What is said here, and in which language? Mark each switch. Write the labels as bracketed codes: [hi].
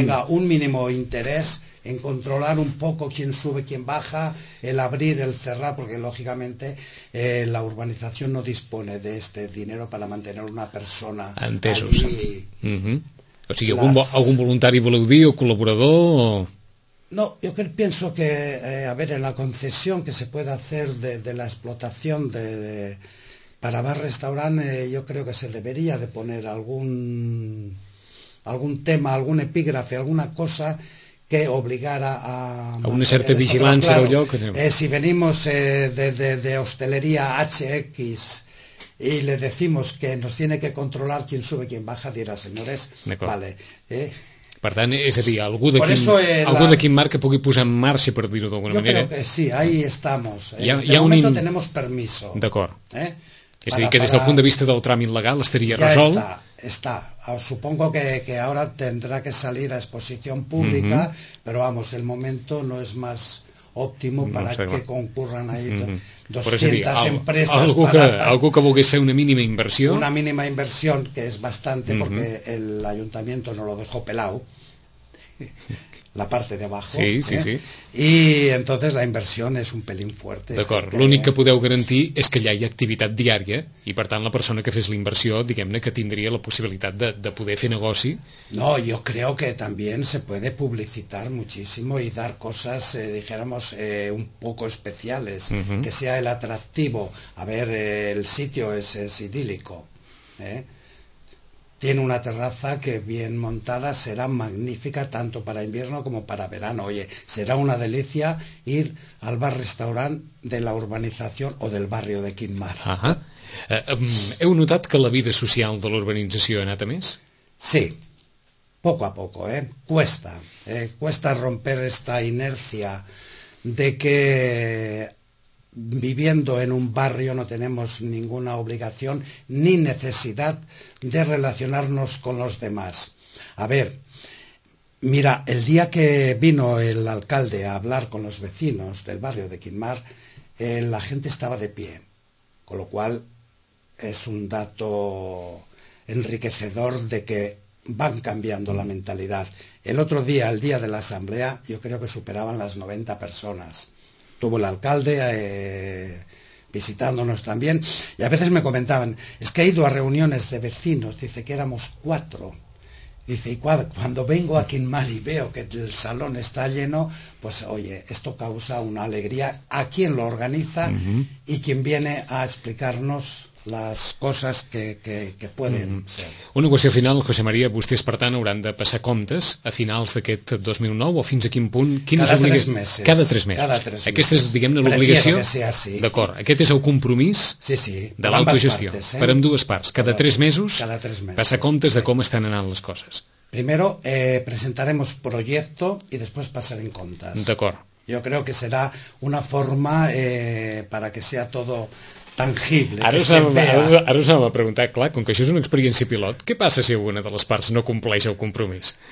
[es] tenga un mínimo interés en controlar un poco quién sube, quién baja, el abrir, el cerrar, porque lógicamente la urbanización no dispone de este dinero para mantener una persona allí. [ca] Entesos. Uh-huh. O sigui, algun voluntari, voleu dir, o col·laborador, o... [es] No, yo pienso que, a ver, en la concesión que se puede hacer de la explotación de para bar-restaurante, yo creo que se debería de poner algún tema, algún epígrafe, alguna cosa que obligara a [ca] una certa vigilància del lloc. [es] Si venimos de hostelería HX y le decimos que nos tiene que controlar quién sube, quién baja, dirá, señores, vale. [ca] Per tant, és a dir, algú de quin marc que pugui posar en marxa, per dir-ho d'alguna manera. [es] Yo creo que sí, ahí estamos. Tenemos permiso. [ca] D'acord. És a dir, que des del punt de vista del tràmit legal estaria resolt. [es] Está. Supongo que ahora tendrá que salir a exposición pública, pero vamos, el momento no es más óptimo que concurran ahí 200 empresas. [ca] Algú que volgués fer una mínima inversió. [es] Una mínima inversión, que es bastante, porque el ayuntamiento no lo dejó pelado, la parte de abajo. Sí, sí, sí. Y entonces la inversión es un pelín fuerte. [ca] D'acord, l'únic que podeu garantir és que allà hi ha activitat diària, i per tant la persona que fes la inversió, diguem-ne, que tindria la possibilitat de poder fer negoci. [es] No, yo creo que también se puede publicitar muchísimo y dar cosas, dijéramos, un poco especiales, que sea el atractivo. A ver, el sitio es idílico, Tiene una terraza que, bien montada, será magnífica tanto para invierno como para verano. Oye, será una delicia ir al bar-restaurant de la urbanización o del barrio de Quimar. Ajá. [ca] ¿Heu notat que la vida social de l'urbanització ha anat a més? [es] Sí, poco a poco, Cuesta. Cuesta romper esta inercia de que viviendo en un barrio no tenemos ninguna obligación ni necesidad de relacionarnos con los demás. A ver, mira, el día que vino el alcalde a hablar con los vecinos del barrio de Quimar, la gente estaba de pie, con lo cual es un dato enriquecedor de que van cambiando la mentalidad. El otro día, el día de la asamblea, yo creo que superaban las 90 personas. Tuvo el alcalde visitándonos también, y a veces me comentaban, es que he ido a reuniones de vecinos, dice que éramos cuatro, dice, y cuando vengo a Quimar y veo que el salón está lleno, pues oye, esto causa una alegría a quien lo organiza y quien viene a explicarnos las cosas que pueden ser. [ca] Una qüestió final, José María, vostès per tant hauran de passar comptes a finals d'aquest 2009, o fins a quin punt? Cada tres mesos. Aquesta és, diguem-ne, l'obligació? [es] Prefiero que sea así. [ca] D'acord, aquest és el compromís de l'autogestió. [es] Partes, [ca] per amb dues parts. Cada tres mesos, cada tres mesos, passar comptes de com estan anant les coses. [es] Primero presentaremos proyecto y después pasar en contas. [ca] D'acord. [es] Yo creo que será una forma para que sea todo tangible. [ca] Ara us anava a preguntar, clar, com que això és una experiència pilot, què passa si alguna de les parts no compleix el compromís?